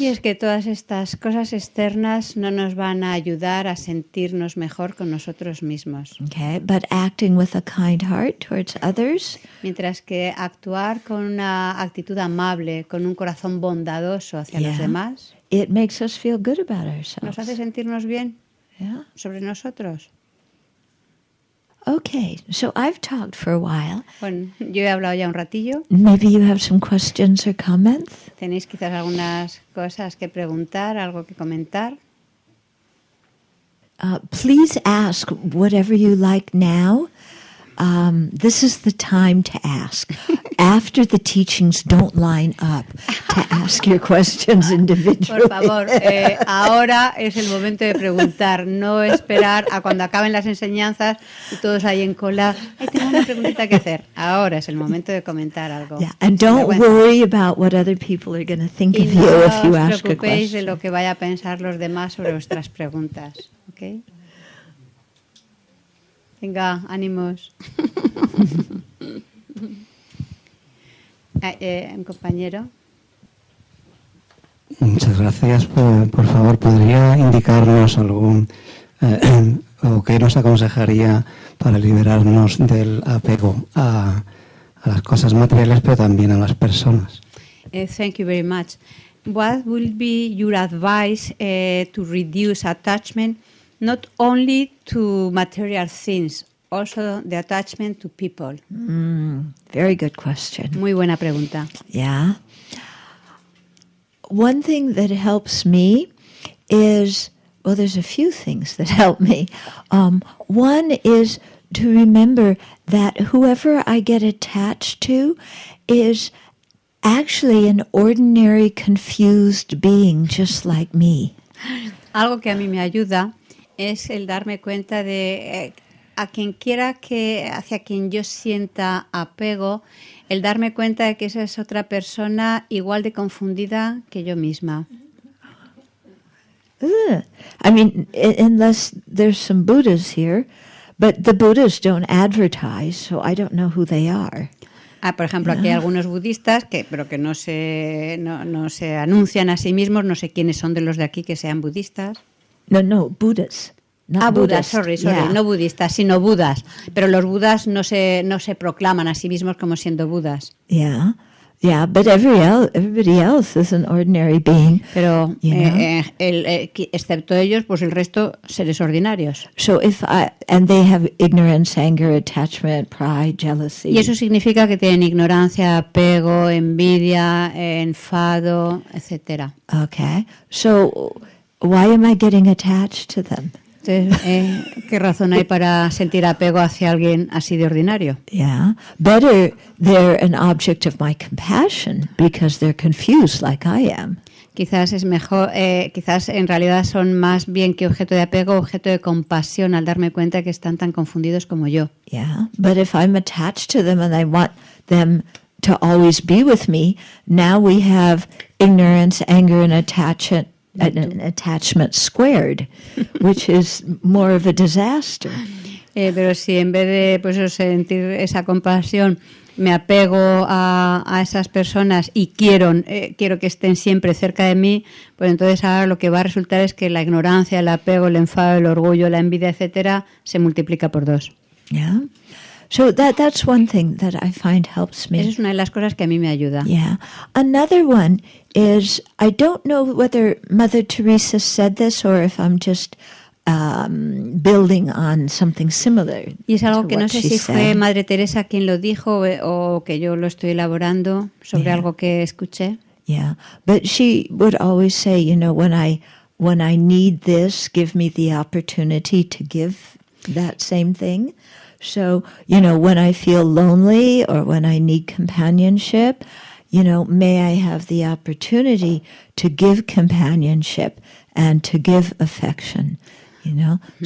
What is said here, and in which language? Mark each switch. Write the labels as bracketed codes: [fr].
[es] Y es que todas estas cosas externas no nos van a ayudar a sentirnos mejor con nosotros mismos. [en] Okay, but acting with a kind heart towards others, [es] mientras que actuar con una actitud amable, con un corazón bondadoso hacia los demás, [en] it makes us feel good about ourselves. [es] Nos hace sentirnos bien. [en] Yeah. [es] Sobre nosotros. [en] Okay, so I've talked for a while. [es] Bueno, yo he hablado ya un ratillo. [en] Maybe you have some questions or comments. [es] ¿Tenéis quizás algunas cosas que preguntar, algo que comentar? [en] Please ask whatever you like now. This is the time to ask. After the teachings don't line up, to ask your questions individually. [es] Por favor, ahora es el momento de preguntar. No esperar a cuando acaben las enseñanzas y todos ahí en cola. Tengo una preguntita que hacer. Ahora es el momento de comentar algo. [en] Yeah, and don't worry about what other people are going to think of you if you ask a question. [es] Y no os preocupéis de lo que vaya a pensar los demás sobre vuestras preguntas. [en] ¿Okay? [es] Venga, ánimos. un compañero. Muchas gracias. Por favor, ¿podría indicarnos algún o qué nos aconsejaría para liberarnos del apego a las cosas materiales, pero también a las personas? [en] Thank you very much. What will be your advice to reduce attachment, not only to material things, also the attachment to people? Very good question. [es] Muy buena pregunta. [en] Yeah. One thing that helps me is, well, there's a few things that help me. One is to remember that whoever I get attached to is actually an ordinary, confused being, just like me. [es] Algo que a mí me ayuda es el darme cuenta de a quien quiera que, hacia quien yo sienta apego, el darme cuenta de que esa es otra persona igual de confundida que yo misma. [en] I mean, unless there's some Buddhas here, but the Buddhas don't advertise, so I don't know who they are. [es] Ah, por ejemplo, aquí hay algunos budistas que, pero que no se, no, no se anuncian a sí mismos, no sé quiénes son de los de aquí que sean budistas. No, no, Buddhas. [en] Not ah, Buddhas, sorry, yeah. [es] No budistas, sino Budas. Pero los Budas no se proclaman a sí mismos como siendo Budas. [en] Yeah, yeah, but everybody else is an ordinary being. [es] Pero excepto ellos, pues el resto seres ordinarios. [en] So if I, and they have ignorance, anger, attachment, pride, jealousy. [es] Y eso significa que tienen ignorancia, apego, envidia, enfado, etcétera. [en] Okay, so why am I getting attached to them? [es] ¿Qué razón hay para sentir apego hacia alguien así de ordinario? [en] Yeah, better they're an object of my compassion because they're confused like I am. [es] Quizás es mejor, quizás en realidad son más bien que objeto de apego, objeto de compasión al darme cuenta que están tan confundidos como yo. [en] Yeah, but if I'm attached to them and I want them to always be with me, now we have ignorance, anger and attachment. An attachment squared, which is more of a disaster. [es] Pero si en vez de pues sentir esa compasión me apego a esas personas y quiero que estén siempre cerca de mí, pues entonces ahora lo que va a resultar es que la ignorancia, el apego, el enfado, el orgullo, la envidia, etcétera, se multiplica por dos. [en] Yeah. So that's one thing that I find helps me. [es] Esa es una de las cosas que a mí me ayuda. [en] Yeah. Another one is, I don't know whether Mother Teresa said this or if I'm just building on something similar. [es] Y es algo que no sé si fue Madre Teresa quien lo dijo o que yo lo estoy elaborando sobre algo que escuché. [en] Yeah. But she would always say, you know, when I need this, give me the opportunity to give that same thing. So, you know, when I feel lonely or when I need companionship, you know, may I have the opportunity to give companionship and to give affection, you know? Mm-hmm.